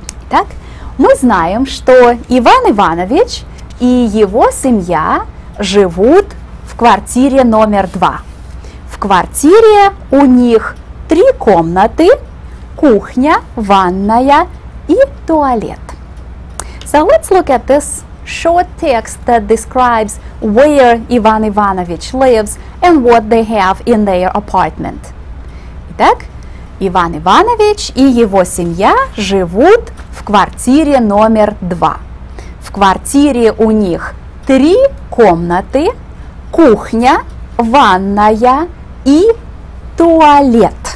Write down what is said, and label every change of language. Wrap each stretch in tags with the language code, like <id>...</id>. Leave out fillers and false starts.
<ru>Так, мы знаем, что Иван Иванович и его семья живут в квартире номер 2. В квартире у них 3 комнаты, кухня, ванная и туалет.</ru> <en>So let's look at this short text that describes where Иван Иванович lives and what they have in their apartment.</en> <ru>Итак, Иван Иванович и его семья живут в квартире номер 2. В квартире у них 3 комнаты, кухня, ванная и туалет.</ru>